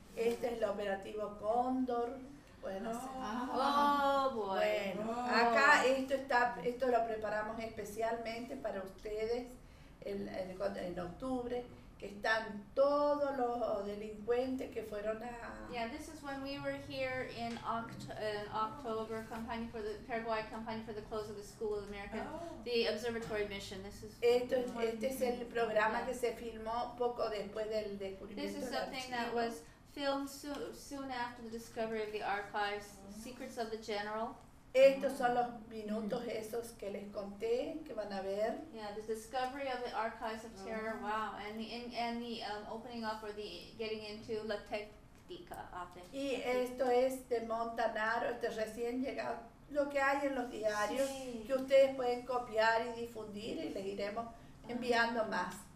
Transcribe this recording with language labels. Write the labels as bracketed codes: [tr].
[es] Este es el operativo Cóndor. Acá esto lo preparamos especialmente para ustedes en octubre, que están todos los delincuentes que fueron a... [en] Yeah, this is when we were here in October, Paraguay campaign for the close of the School of American, the Observatory Mission. [es] Este es el programa que se filmó poco después del descubrimiento. [en] This is something that was filmed soon after the discovery of the archives, Secrets of the General. [es] Estos son los minutos esos que les conté, que van a ver. [en] Yeah, the discovery of the archives of terror, wow. And the opening up or the getting into La Tectica. [es] Y esto es de Montanaro, este recién llegado, lo que hay en los diarios, que ustedes pueden copiar y difundir y les iremos enviando más.